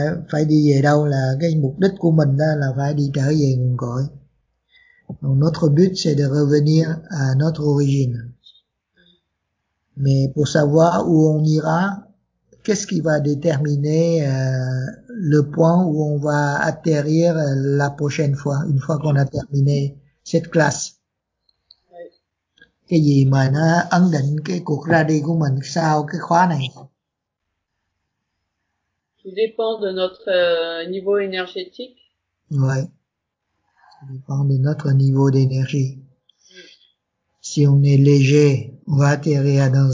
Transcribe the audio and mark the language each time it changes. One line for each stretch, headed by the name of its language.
Vietnamese: Phải đi về đâu là cái mục đích của mình đó là phải đi trở về nguồn cội.
French: Notre but, c'est de revenir à notre origine. Mais pour savoir où on ira, qu'est-ce qui va déterminer le point où on va atterrir la prochaine fois, une fois qu'on a terminé cette classe?
Vietnamese: Cái gì mà nó ấn định cái cuộc ra đi của mình sau cái khóa này?
French: Tout dépend de notre niveau énergétique. Ouais. Ça dépend de notre niveau d'énergie. Si on est léger, on va atterrir